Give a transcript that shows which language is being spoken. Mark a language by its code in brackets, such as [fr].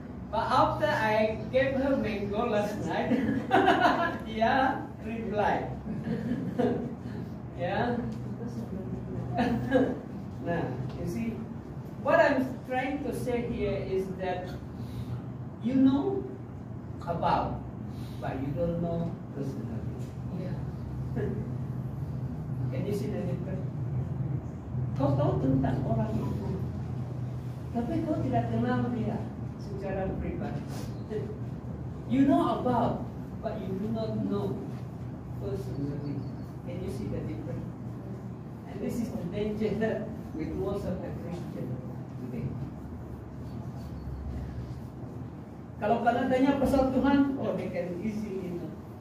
[en] But after I gave her mango last night, yeah, replied. Yeah. Now, you see, what I'm trying to say here is that you know about, but you don't know personally. Yeah. Can you see the difference? [ms] Kau tahu tentang orang itu, tapi kau tidak kenal dia secara pribadi. [en] You know about, but you do not know personally. Can you see the difference? And this is the danger with most of the Christian today. [ms] Kalau kalian tanya pasal Tuhan, oh, [en] they can easily know.